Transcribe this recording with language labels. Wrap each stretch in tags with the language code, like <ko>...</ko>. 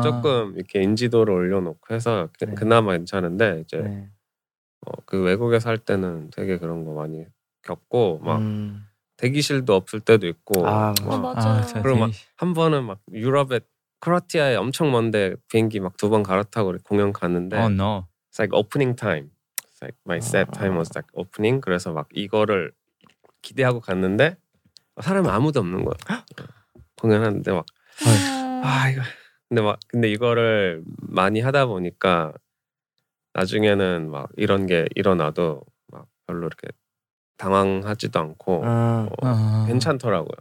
<ko>조금 이렇게 인지도를 올려놓고 해서 네. 그나마 괜찮은데 이제 네. 어, 그 외국에서 할 때는 되게 그런 거 많이 겪고 막 대기실도 없을 때도 있고 아 맞아요. 그리고 막 한 번은 막 유럽에 크로아티아에 엄청 먼데 비행기 막 두 번 갈아타고 공연 갔는데</ko> <en>oh, no. It's like opening time. It's like my set time was like opening.</en> <ko>그래서 막 이거를 기대하고 갔는데 사람이 아무도 없는 거야. 공연하는데 막 아 이거 근데 막 근데 이거를 많이 하다 보니까 나중에는 막 이런 게 일어나도 막 별로 이렇게 당황하지도 않고 괜찮더라고요.</ko>